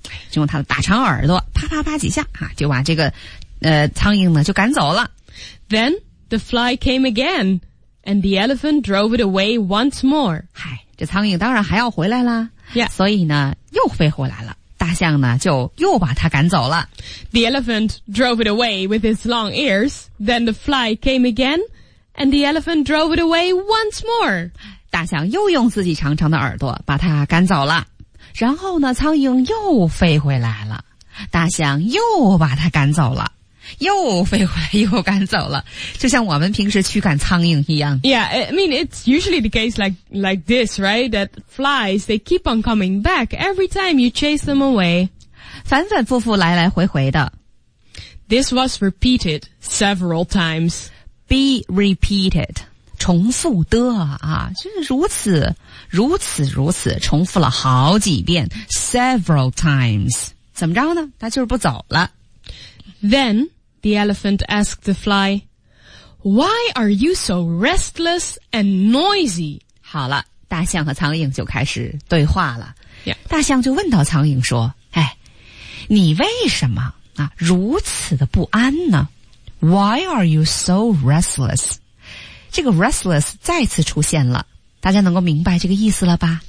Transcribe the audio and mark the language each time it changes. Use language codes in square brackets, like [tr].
[zh] 就用它的大长耳朵啪啪啪几下、啊、就把这个苍蝇呢就赶走了。 [en] Then, the fly came again, and the elephant drove it away once more. 嗨。 [zh] 这苍蝇当然还要回来啦、 [en] yeah. [zh] 所以呢又飞回来了大象呢就又把它赶走了 [en] The elephant drove it away with his long ears Then the fly came again And the elephant drove it away once more [zh] 大象又用自己长长的耳朵把它赶走了然后呢苍蝇又飞回来了大象又把它赶走了又飞回来又赶走了就像我们平时驱赶苍蝇一样 [en] Yeah, I mean, it's usually the case like this, right? That flies, they keep on coming back every time you chase them away [zh] 反反复复来来回回的 [en] This was repeated several times Be repeated [zh] 重复的啊就是如此重复了好几遍 [en] Several times [zh] 怎么着呢他就是不走了 [en] Then,The elephant asked the fly, Why are you so restless and noisy? [zh] 好了，大象和苍蝇就开始对话了。 [en] Yeah. [zh] 大象就问到苍蝇说，哎，你为什么啊，如此的不安呢？ [en] Why are you so restless? [zh] 这个 restless 再次出现了。大家能够明白这个意思了吧？